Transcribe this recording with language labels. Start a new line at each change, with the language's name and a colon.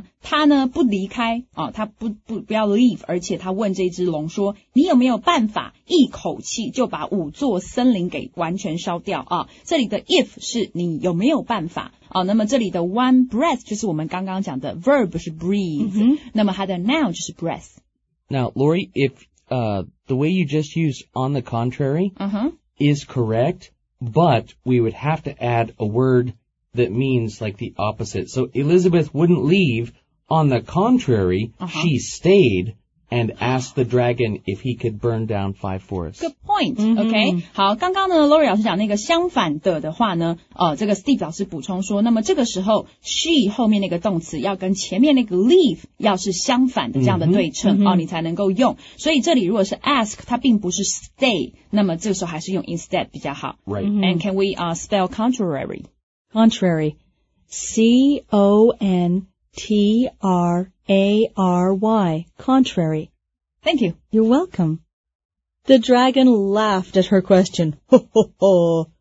Chinese: 就是相反的啊。那么相反的呢，他呢不离开啊，他不要 leave， 而且他问这只龙说，你有没有办法一口气就把五座森林给完全烧掉啊？这里的 if 是你有没有办法啊？那么这里的 one breath 就是我们刚刚讲的 verb 是 breathe， mm-hmm. 那么它的 noun 就是 breath。
English: Now, Lori, if the way you just used on the contrary is correct, but we would have to add a word that means like the opposite. So Elizabeth wouldn't leave. On the contrary, she stayed and asked the dragon if he could burn down 5 forests. Good point. Okay. Mm-hmm.
Chinese: 好，刚刚呢，Lori 老师讲那个相反的话呢，这个 Steve 老师补充说，那么这个时候 she 后面那个动词要跟前面那个 leave 要是相反的这样的对称，你才能够用。所以这里如果是 ask， 它并不是 stay， 那么这个时候还是用 instead 比较好。Right. Mm-hmm.
English: And can we spell contrary? Contrary. C-O-N-T-R-A-R-Y. Contrary. Thank you. You're welcome. The dragon laughed at her question. Ho, ho, ho.